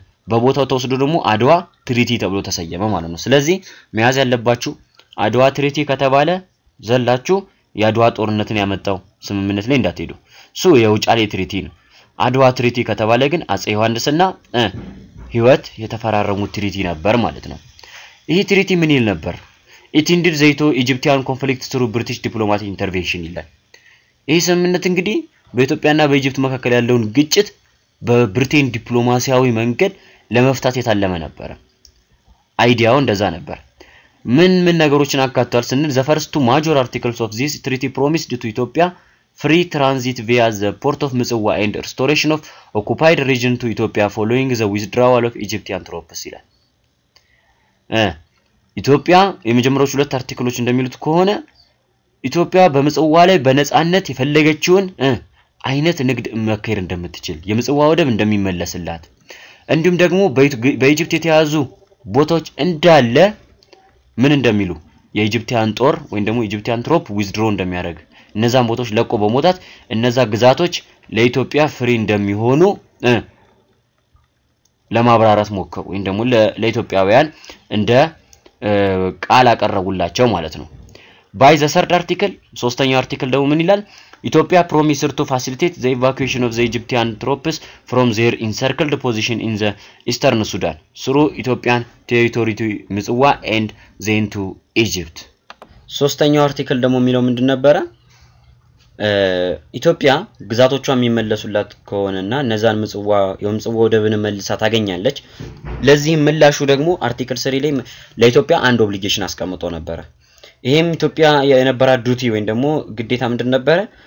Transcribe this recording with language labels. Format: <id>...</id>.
<am>በቦታው ተወስዶ ደግሞ አድዋ ትሪቲ ተብሎ ተሰየመ ማለት ነው። ስለዚህ መያዝ ያለባችሁ አድዋ ትሪቲ ከተባለ ዘላችሁ የአድዋ ጦርነትን ያመጣው ስምምነት ላይ እንዳትሄዱ ሱ የውጫሌ ትሪቲ ነው። አድዋ ትሪቲ ከተባለ ግን አጼ ዮሐንስና ህይወት የተፈራረሙት ትሪቲ ነበር ማለት ነው። ይሄ ትሪቲ ምን ይል ነበር?</am> <en>It ended the Egyptian conflict through British diplomatic intervention</en> <am>ይላል። ይሄ ስምምነት እንግዲህ በኢትዮጵያና በኢጅፕት መካከለ ያለውን ግጭት በብሪቴን ዲፕሎማሲያዊ መንገድ ለመፍታት የታለመ ነበር። አይዲያው እንደዛ ነበር። ምን ነገሮችን አካተዋል ስንል</am> <en>the first two major articles of this treaty promised to Ethiopia free transit via the port of Mzwa and restoration of occupied region to Ethiopia following the withdrawal of Egyptian troops ይላል።</en> <am>ኢትዮጵያ የመጀመሪያዎቹ ሁለት አርቲክሎች እንደሚሉት ከሆነ ኢትዮጵያ በመጽዋ ላይ በነጻነት የፈለገችውን አይነት ንግድ መከየር እንደምትችል የመጽዋ ወደብ እንደሚመለስላት እንዲሁም ደግሞ በኢጅፕት የተያዙ ቦታዎች እንዳለ ምን እንደሚሉ የኢጅፕቲያን ጦር ወይ ደግሞ</am> <en>ኢጅፕቲያን ትሮፕ ዊዝድሮ</en> <am>እንደሚያደርግ እነዛን ቦታዎች ለቆ በመውጣት እነዛ ግዛቶች ለኢትዮጵያ ፍሪ እንደሚሆኑ ለማብራራት ሞከሩ ወይ ደግሞ ለኢትዮጵያውያን እንደ ቃል አቀረቡላቸው ማለት ነው።</am> <en>By the third article,</en> <am>ሶስተኛው አርቲክል ደግሞ ምን ይላል?</am> <en>Ethiopia promised to facilitate the evacuation of the Egyptian troops from their encircled position in the eastern Sudan through Ethiopian territory to Mzwa and then to Egypt.</en> <am>ሶስተኛው አርቲክል ደግሞ የሚለው ምንድን ነበር? ኢትዮጵያ ግዛቶቿን የሚመለሱላት ከሆነና ነዛን ምጽዋ የምጽዋ ወደብን መልሳት አገኛለች ለዚህ ምላሹ ደግሞ አርቲክል 3 ላይ ለኢትዮጵያ አንድ ኦብሊጌሽን አስቀምጦ ነበር። ይሄም ኢትዮጵያ የነበረ ዱቲ ወይ ደግሞ ግዴታ ምንድን ነበር?</am>